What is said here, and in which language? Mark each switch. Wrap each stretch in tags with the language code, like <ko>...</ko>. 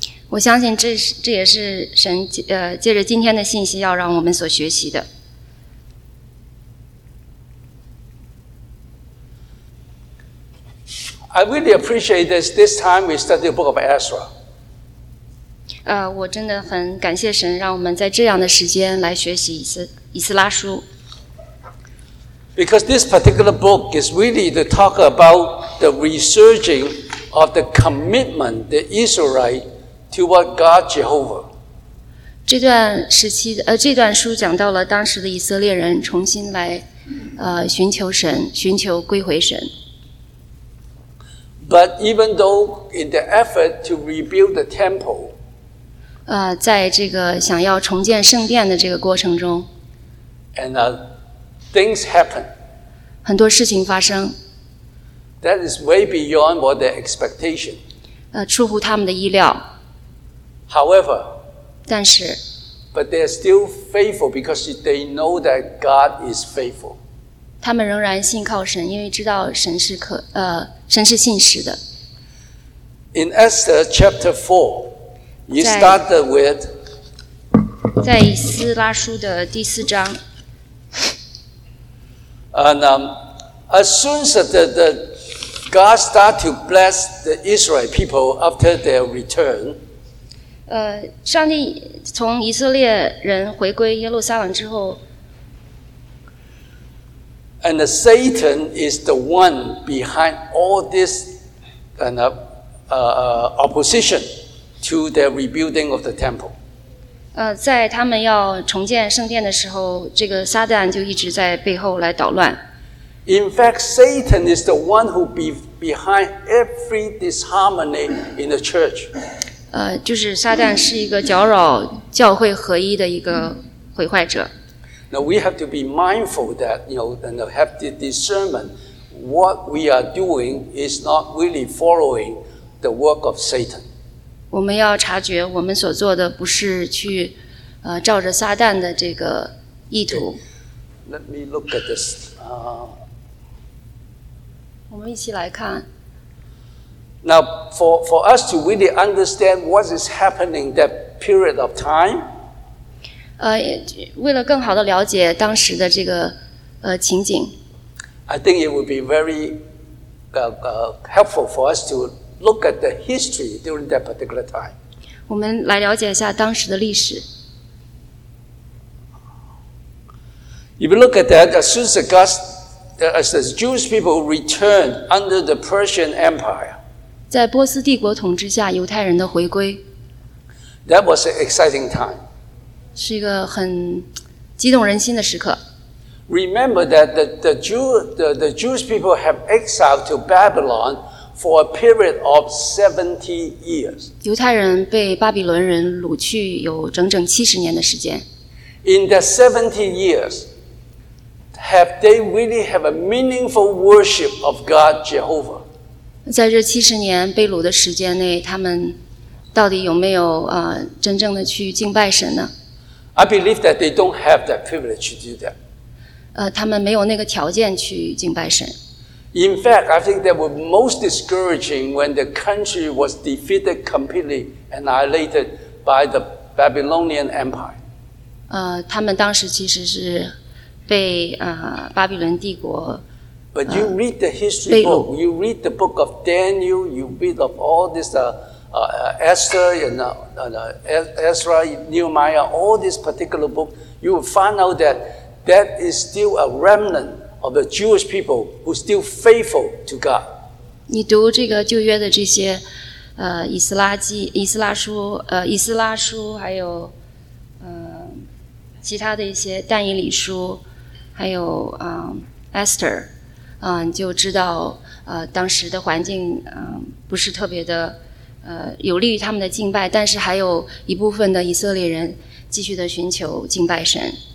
<zh>我相信这也是神借着今天的信息要让我们所学习的。</zh> <en>I really appreciate this time we study the book of Ezra.</en> <zh>我真的很感谢神让我们在这样的时间来学习以斯拉书。</zh> <en>Because this particular book is really to talk about the resurging of the commitment, the Israelite, toward God Jehovah.</en> <zh>这段书讲到了当时的以色列人重新来寻求神，寻求归回神。</zh> <en>But even though in the effort to rebuild the temple,</en> <zh>在这个想要重建圣殿的这个过程中</zh> <en>andThings happen.</en> <zh>很多事情发生。</zh> <en>That is way beyond what their expectation.</en> <zh>出乎他们的意料。</zh> <en>However,</en> <zh>但是</zh> <en>but they are still faithful because they know that God is faithful.</en> <zh>他们仍然信靠神，因为知道神是神是信实的。</zh> <en>In Esther chapter 4, you started with.</en> <zh>在以斯拉书的第四章。</zh> <en>And as soon as the God start to bless the Israel people after their return,</en> <zh>上帝从以色列人回归耶路撒冷之后</zh> <en>，and Satan is the one behind all this and opposition to their rebuilding of the temple.</en> <zh>在他们要重建圣殿的时候，这个撒旦就一直在背后来捣乱。</zh> <en>In fact, Satan is the one who behind every disharmony in the church.</en> <zh>就是撒旦是一个搅扰教会合一的一个毁坏者。</zh> <en>Now we have to be mindful that, you know, and have the discernment what we are doing is not really following the work of Satan.</en> <zh>我们要察觉我们所做的不是去照着撒旦的这个意图。</zh> <en>Let me look at this.</en> <zh>我们一起来看。</zh> <en>Now, for us to really understand what is happening that period of time,</en> <zh>为了更好的了解当时的这个情景，</zh> <en>I think it would be very helpful for us to look at the history during that particular time.</en> <zh>我们来了解一下当时的历史。</zh> <en>If you look at that, as soon as as the Jewish people returned under the Persian Empire,</en> <zh>在波斯帝国统治下，犹太人的回归。</zh> <en>That was an exciting time.</en> <zh>是一个很激动人心的时刻。</zh> <en>Remember that the Jewish people have exiled to Babylon for a period of 70 years.</en> <zh>犹太人被巴比伦人掳去有整整70年的时间。</zh> <en>In the 70 years,Have they really have a meaningful worship of God Jehovah?</en> <zh>在这七十年被掳的时间内，他们到底有没有真正的去敬拜神呢？</zh> <en>I believe that they don't have that privilege to do that.</en> <zh>他们没有那个条件去敬拜神。</zh> <en>In fact, I think that was most discouraging when the country was defeated completely and annihilated by the Babylonian Empire.</en> <zh>他们当时其实是。被巴比伦帝国</zh> <en>But you read the history book, you read the book of Daniel, you read of all this Esther, Ezra, Nehemiah, all these particular books, you will find out that that is still a remnant of the Jewish people who are still faithful to God.</en> <zh>你读这个旧约的这些以斯拉书还有其他的一些但以理书还有Esther, 就知道当时的环境不是特别的有利于他们的敬拜，但是还有一部分的以色列人继续的寻求敬拜神。</zh>